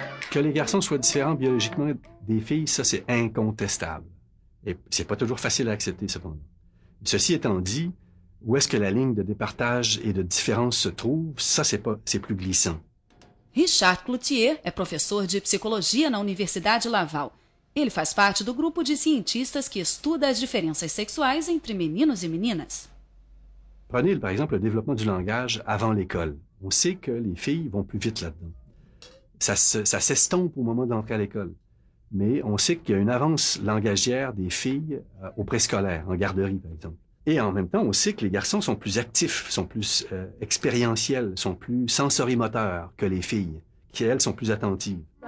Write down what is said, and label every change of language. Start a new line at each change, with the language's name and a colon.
French: Que les garçons soient différents biologiquement des filles, ça, c'est incontestable. Et c'est pas toujours facile à accepter, cependant. Ceci étant dit, où est-ce que la ligne de départage et de différence se trouve, ça, c'est plus glissant.
Portuguese: Richard Cloutier é professor de psicologia na Universidade Laval. Ele faz parte do grupo de cientistas que estuda as diferenças sexuais entre meninos e meninas.
French: Prenez, par exemple, le développement du langage avant l'école. On sait que les filles vont plus vite là-dedans. Ça s'estompe au moment d'entrer à l'école. Mais on sait qu'il y a une avance langagière des filles au préscolaire, en garderie, par exemple. Et en même temps, on sait que les garçons sont plus actifs, sont plus expérientiels, sont plus sensorimoteurs que les filles, qui, elles, sont plus attentives.